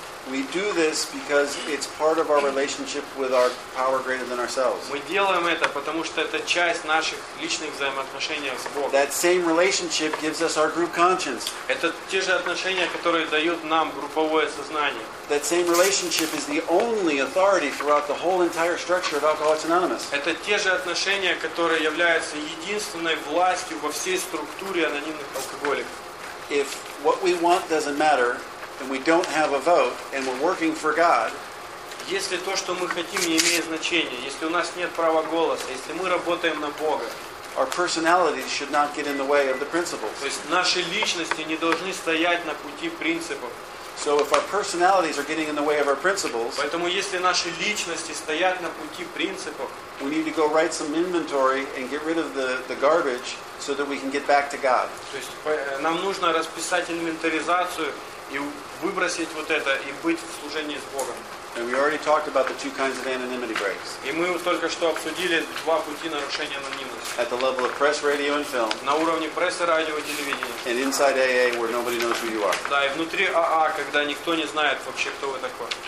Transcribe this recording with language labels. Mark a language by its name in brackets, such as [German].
[English] We do this because it's part of our relationship with our power greater than ourselves. [Russian] Мы делаем это, потому что это часть наших личных взаимоотношений с Богом. [English] That same relationship gives us our group conscience. [Russian] Это те же отношения, которые дают нам групповое сознание. [English] That same relationship is the only authority throughout the whole entire structure of Alcoholics Anonymous. [Russian] Это те же отношения, которые являются единственной властью во всей структуре анонимных алкоголиков. [English] If what we want doesn't matter, and we don't have a vote, and we're working for God. [Russian] Если то, что мы хотим, не имеет значения, если у нас нет права голоса, если мы работаем на Бога, [English] our personalities should not get in the way of the principles. [Russian] То есть наши личности не должны стоять на пути принципов. [English] So if our personalities are getting in the way of our principles, [Russian] поэтому если наши личности стоят на пути принципов, [English] we need to go write some inventory and get rid of the garbage so that we can get back to God. [Russian] То есть нам нужно расписать инвентаризацию и выбросить вот это и быть в служении с Богом. [English] And we already talked about the two kinds of anonymity breaks. [Russian] И мы только что обсудили два пути нарушения анонимности. [English] At the level of press, radio, and film. [Russian] На уровне прессы, радио, телевидения. [English] And inside AA, where nobody knows who you are. [Russian] Да, и внутри АА, когда никто не знает вообще, кто вы такой.